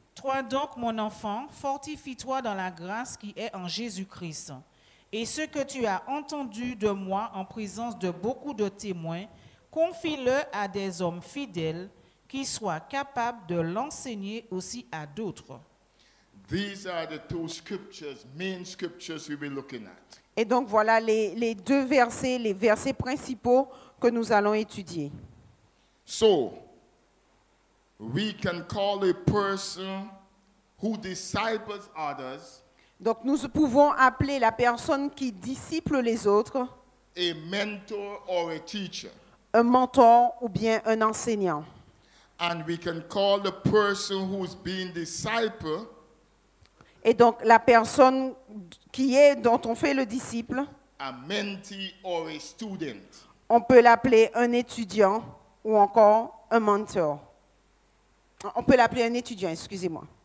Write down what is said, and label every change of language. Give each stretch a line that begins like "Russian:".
French: Toi donc, mon enfant, fortifie-toi dans la grâce qui est en Jésus-Christ. Et ce que tu as entendu de moi en présence de beaucoup de témoins, confie-le à des hommes fidèles qui soient capables de l'enseigner aussi à d'autres.
English: These are the two scriptures, main scriptures we'll be looking at.
French: Et donc voilà les deux versets, les versets principaux que nous allons étudier.
English: So, we can call a person who disciples others.
French: Donc nous pouvons appeler la personne qui disciple les autres
English: a mentor or a teacher.
French: Un mentor ou bien un enseignant.
English: And we can call the person who's being disciple.
French: Et donc la personne qui est dont on fait le disciple
English: a mentee or a student.
French: On peut l'appeler un étudiant ou encore un mentor. On peut l'appeler un étudiant, excusez-moi.